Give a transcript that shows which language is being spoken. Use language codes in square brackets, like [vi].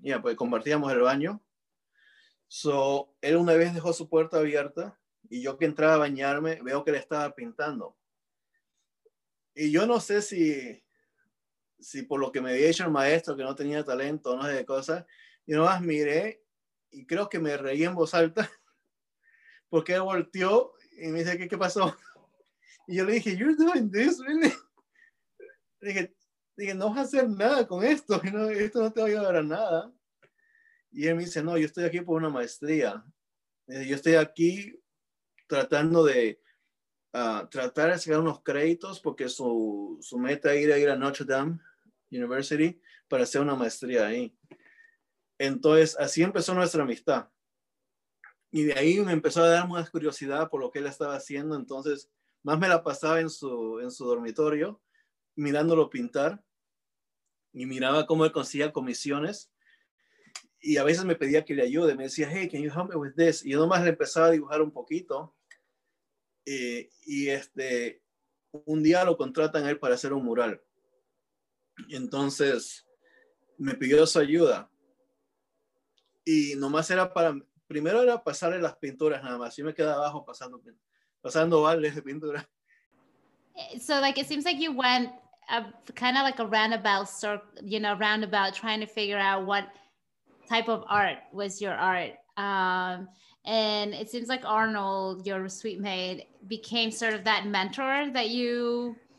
[es] Yeah, pues compartíamos el baño. So, él una vez dejó su puerta abierta y yo que entraba a bañarme, veo que le estaba pintando. Y yo no sé si por lo que me había dicho el maestro, que no tenía talento, no sé de cosas, yo nomás miré y creo que me reí en voz alta porque él volteó y me dice, ¿qué pasó? Y yo le dije, [en] you're doing this, really? [es] Dije, no vas a hacer nada con esto, ¿no? Esto no te va a ayudar a nada. Y él me dice, no, yo estoy aquí por una maestría. Dice, yo estoy aquí tratando de tratar de sacar unos créditos porque su meta era ir a Notre Dame University para hacer una maestría ahí. Entonces, así empezó nuestra amistad. Y de ahí me empezó a dar más curiosidad por lo que él estaba haciendo. Entonces, más me la pasaba en su dormitorio, mirándolo pintar. Y miraba cómo él conseguía comisiones. Y a veces me pedía que le ayude. Me decía, [en] hey, can you help me with this? [es] Y yo nomás le empezaba a dibujar un poquito. Y un día lo contratan a él para hacer un mural. Entonces, me pidió su ayuda. Y nomás era para... Primero era pasarle las pinturas nada más. Yo me quedaba abajo pasando vales de pintura. [en] So, like, it seems like you went kind of like a roundabout circle, you know, roundabout trying to figure out what type of art was your art. And it seems like Arnold, your sweet mate, became sort of that mentor that you...